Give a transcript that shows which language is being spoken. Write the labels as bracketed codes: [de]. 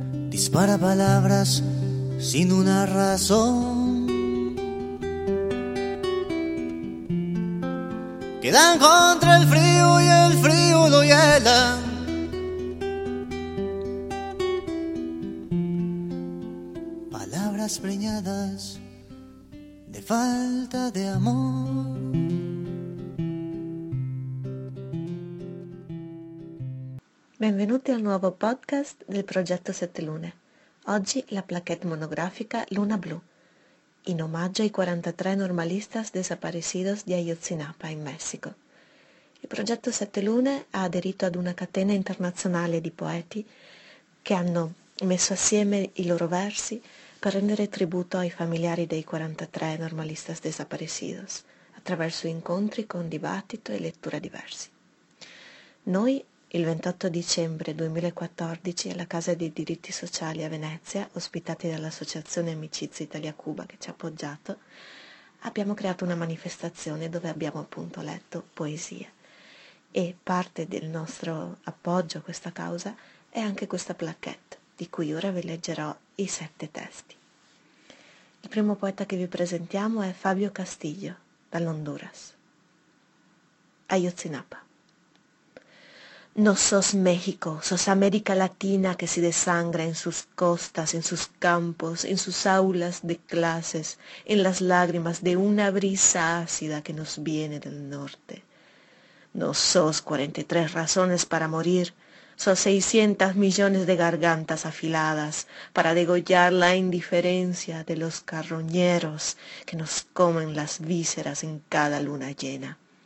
[es] Dispara palabras sin una razón que dan contra el frío y el frío lo hiela. Palabras preñadas de falta de amor. [it] Benvenuti al nuovo podcast del progetto Sette Lune. Oggi la plaquette monografica Luna Blu, in omaggio ai 43 [es] normalistas desaparecidos [it] di Ayotzinapa in Messico. Il progetto Sette Lune ha aderito ad una catena internazionale di poeti che hanno messo assieme i loro versi per rendere tributo ai familiari dei 43 [es] normalistas desaparecidos [it] attraverso incontri con dibattito e lettura di versi. Noi il 28 dicembre 2014 alla Casa dei Diritti Sociali a Venezia, ospitati dall'Associazione Amicizia Italia-Cuba che ci ha appoggiato, abbiamo creato una manifestazione dove abbiamo appunto letto poesie. E parte del nostro appoggio a questa causa è anche questa plaquette, di cui ora vi leggerò i 7 testi. Il primo poeta che vi presentiamo è Fabio Castillo, dall'Honduras. [es] Ayotzinapa. No sos México, sos América Latina que se desangra en sus costas, en sus campos, en sus aulas de clases, en las lágrimas de una brisa ácida que nos viene del norte. No sos 43 razones para morir, sos 600 millones de gargantas afiladas para degollar la indiferencia de los carroñeros que nos comen las vísceras en cada luna llena.